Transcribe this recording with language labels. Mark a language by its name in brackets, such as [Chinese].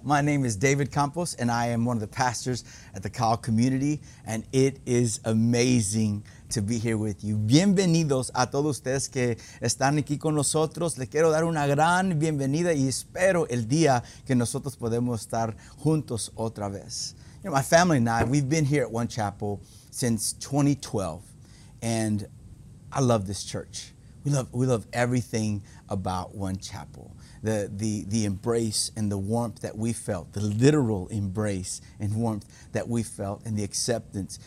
[English] My name is David Campos, and I am one of the pastors at the Kyle community, and it is amazing to be here with you. [Spanish] Bienvenidos a todos ustedes que están aquí con nosotros. Les quiero dar una gran bienvenida y espero el día que nosotros podemos estar juntos otra vez. [English] You know, my family and I, we've been here at One Chapel since 2012, and I love this church. We love everything about One Chapel. The embrace and the warmth that we felt, the literal embrace and warmth that we felt, and the acceptance.